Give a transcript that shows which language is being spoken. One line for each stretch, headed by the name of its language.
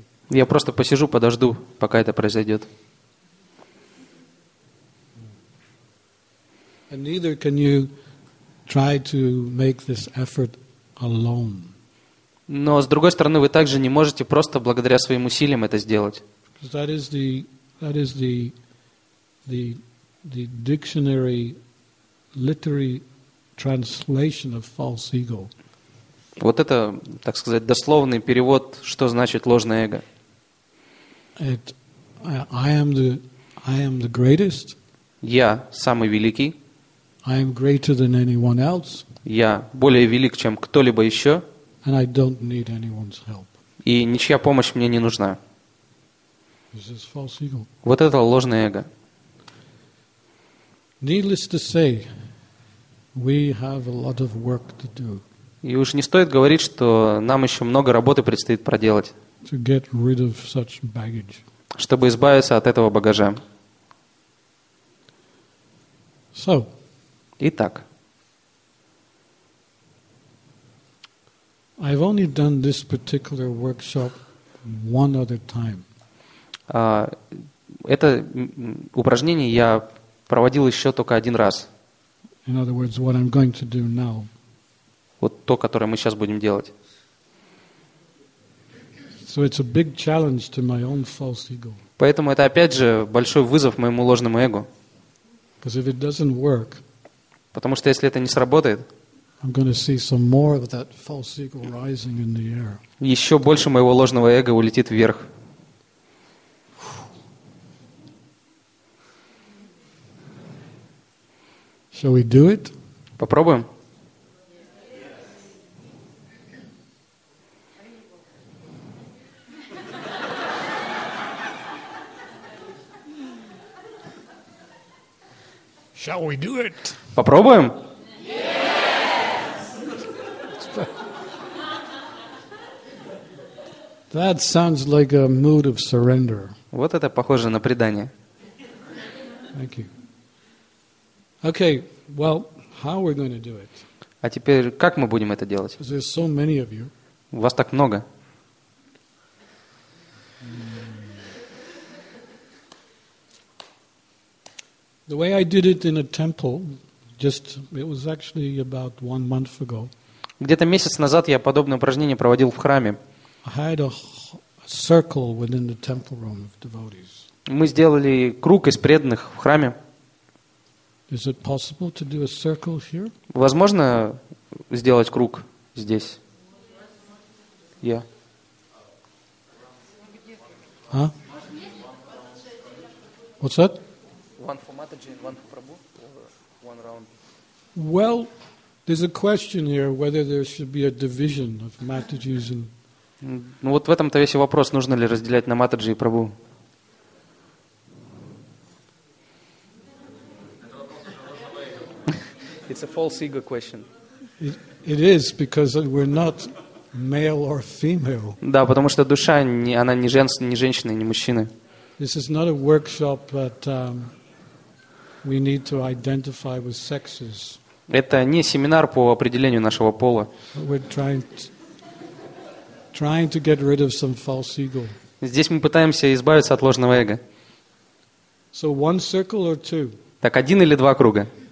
Russian: Я просто посижу, подожду, пока это произойдет.
English: And neither can you try to make this effort alone.
Russian: Но с другой стороны, вы также не можете просто благодаря своим усилиям это сделать.
English: Because that is the dictionary literary translation of false ego.
Russian: Вот это, так сказать, дословный перевод, что значит ложное эго.
English: It, I am the greatest.
Russian: Я самый великий.
English: I am greater than anyone else.
Russian: Я более велик, чем кто-либо еще.
English: And I don't need anyone's help.
Russian: И ничья помощь мне не нужна.
English: This is false ego.
Russian: Вот это ложное эго.
English: Needless to say, we have a lot of work to do.
Russian: И уж не стоит говорить, что нам еще много работы предстоит проделать.
English: To get rid of such baggage.
Russian: Чтобы избавиться от этого багажа.
English: So.
Russian: Итак.
English: I've only done this particular workshop one other time.
Russian: Это упражнение я проводил еще только один раз.
English: In other words, what I'm going to do now.
Russian: Вот то, которое мы сейчас будем делать.
English: So it's a big challenge to my own false ego.
Russian: Поэтому это опять же большой вызов моему ложному эго.
English: Because if it doesn't work,
Russian: потому что если это не сработает,
English: I'm going to see some more of that false ego rising in the air.
Russian: Еще больше моего ложного эго улетит вверх.
English: Shall we do it?
Russian: Попробуем.
English: Shall we do it?
Russian: Попробуем.
English: That sounds like a mood of surrender.
Russian: Вот это похоже на предание.
English: Thank you. Okay, well, how are we going to do it?
Russian: А теперь как мы будем это делать?
English: There's so many of you.
Russian: У вас так много.
English: The way I did it in a temple, just it was actually about 1 month ago.
Russian: Где-то месяц назад я подобное упражнение проводил в храме.
English: I had a circle within the temple room of devotees.
Russian: Мы сделали круг из преданных в храме.
English: Is it possible to do a circle here?
Russian: Возможно сделать круг здесь? Я. А?
English: What's that? One for Mataji and one for Prabhu. One round. Well, there's a question here whether there should be a division of Mataji's and.
Russian: Ну вот в этом-то весь и вопрос, нужно ли разделять на Матаджи и Прабу.
English: It's a false ego question. It is because we're not male or female.
Russian: Да, потому что душа не, она не женская, не женщина, не мужчина.
English: This is not a workshop that we need to identify with sexes.
Russian: Это не семинар по определению нашего пола.
English: Trying to get rid of some false ego.
Russian: Здесь мы пытаемся избавиться от ложного эго.
English: So one circle or two?
Russian: Так один или два круга?